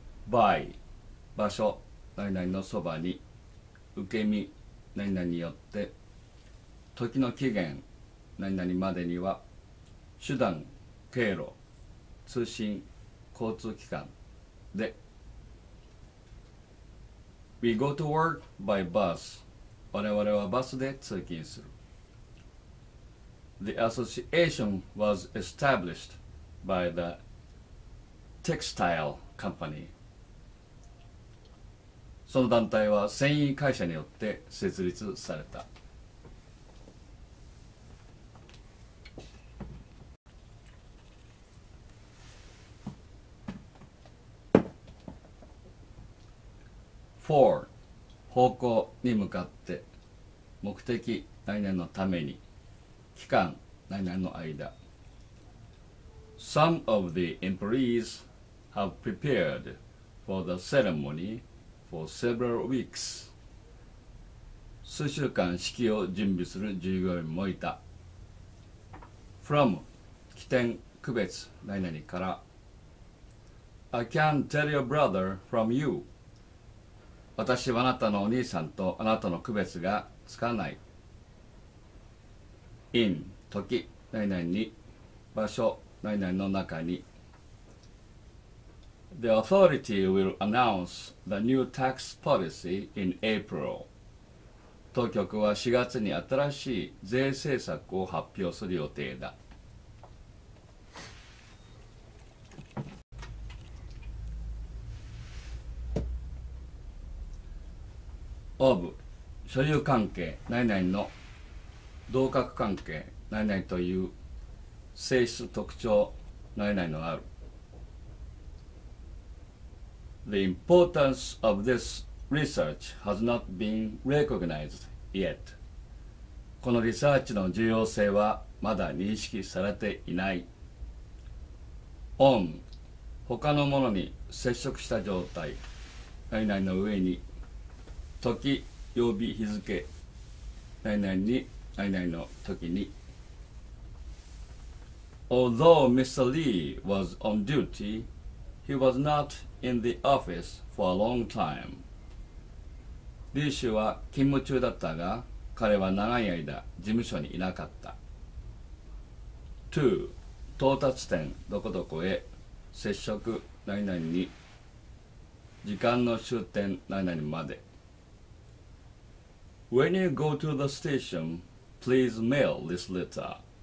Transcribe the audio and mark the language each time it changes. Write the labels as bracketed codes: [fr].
[ja] by 場所何々のそばに受け身何々によって時の期限何々までには手段経路通信交通機関で [en] We go to work by bus. [ja] 我々はバスで通勤する。 [en] The association was established by the textile company. [ja] その団体は繊維会社によって設立された。 [en] Four. [ja] 方向に向かって、目的、何々のために、期間、何々の間。 [en] Some of the employees have prepared for the ceremony for several weeks. [ja] 数週間式を準備する従業員もいた。 From 起点、区別、何々から。 [en] I can tell your brother from you. [ja] 私はあなたのお兄さんとあなたの区別がつかない。 in 時何々に場所何々の中に。 [en] The authority will announce the new tax policy in April. [ja] 当局は4月に新しい税政策を発表する予定だ。 [en] of [ja] 所有関係何々の同格関係何々という性質特徴何々のある。 [en] The importance of this research has not been recognized yet. [ja] このリサーチの重要性はまだ認識されていない。 On 他のものに接触した状態何々の上に時曜日日付何々に何々の時に。 [en] Although Mr. Lee was on duty, he was notin the office for a long time. [ja] リー氏は勤務中だったが、彼は長い間事務所にいなかった。 [en] 2. [ja] 到達点どこどこへ接触何々に時間の終点何々まで。 [en] When you go to the station, please mail this letter.